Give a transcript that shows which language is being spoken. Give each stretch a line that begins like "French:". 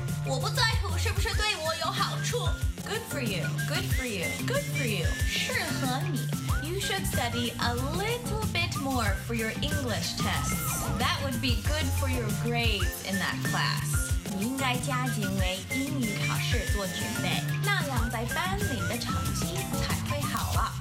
Chinese: 我不在乎是不是对我有好处。
English: Good for you, good for you, good for you.
Chinese: 适合你。
English: You should study a little bit more for your English tests. That would be good for your grades in that class.
Chinese: 你应该加紧为英语考试做准备，那样在班里的成绩才会好啊。